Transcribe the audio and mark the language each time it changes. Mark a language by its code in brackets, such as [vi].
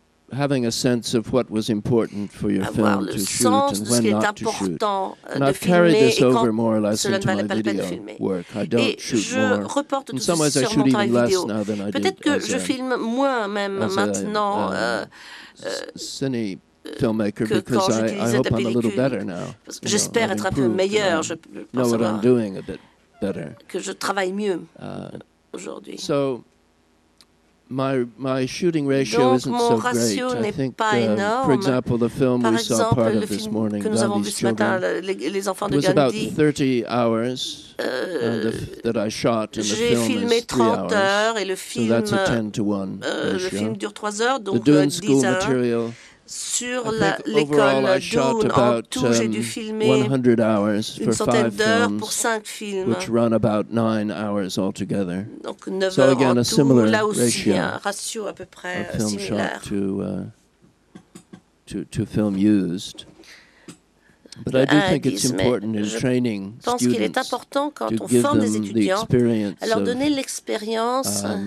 [en] Having a sense of what was important for your film to shoot and when not to shoot. And I've carried this over more or less into my video work. I don't shoot more. In some ways, I shoot even less now than I did. [fr] Peut-être que je filme moins même maintenant. [en] Cine filmmaker, because I hope I'm a little better now. [fr] J'espère être un peu meilleur. Je [en] know what I'm doing a bit better. [fr] Que je travaille mieux aujourd'hui. [en] So. My shooting ratio isn't so great. I think, for example, the film we saw part of this morning, Gandhi's Children, it was about 30 hours that I shot, and the film is 3 hours. So that's a 10-to-1 ratio. The Dune school material. [fr] Sur l'école Dune, en tout, j'ai dû filmer une centaine d'heures pour 5 films, [en] which run about 9 hours altogether. [fr] Donc 9 heures en tout, là aussi un ratio à peu près similaire. [en] To film used. But I do think it's important in training students to give them the experience